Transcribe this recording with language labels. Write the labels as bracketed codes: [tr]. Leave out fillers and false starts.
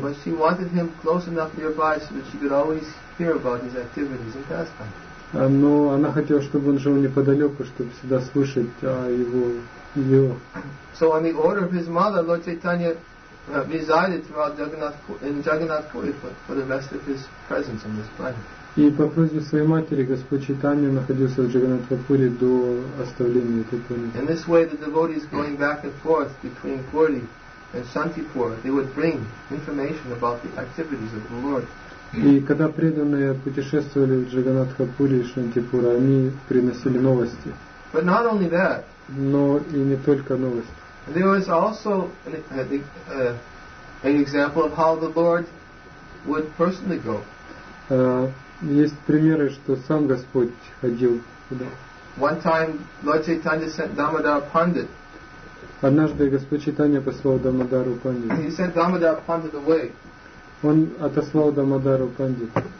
[en] But she wanted him close enough nearby so that she could always hear about his activities and pastimes. [ru] Но она хотела, чтобы он жил неподалеку, чтобы всегда слышать о его делах. [en] So on the order of his mother, Lord Chaitanya resided throughout Jagannath Puri for the rest of his presence on this planet. [ru] И по просьбе своей матери Господь Чайтанья находился в Джаганатхапуре до оставления этой планеты. [en] In this way, the devotees going back and forth between Puri and Shantipur, they would bring information about the activities of the Lord. [ru] И когда преданные путешествовали в Джаганатхапуре и Шантипур, они приносили новости. [en] But not only that. [ru] Но и не только новости. [en] There was also an example of how the Lord would personally go. [ru] Есть примеры, что сам Господь ходил туда. [en] One time Lord Chaitanya sent Damodar Pandit. [ru] Однажды Господь Чайтанья послал Дамодару Пандит. [en] He sent Damodar Pandit away. [ru] Он отослал Дамодару Пандит.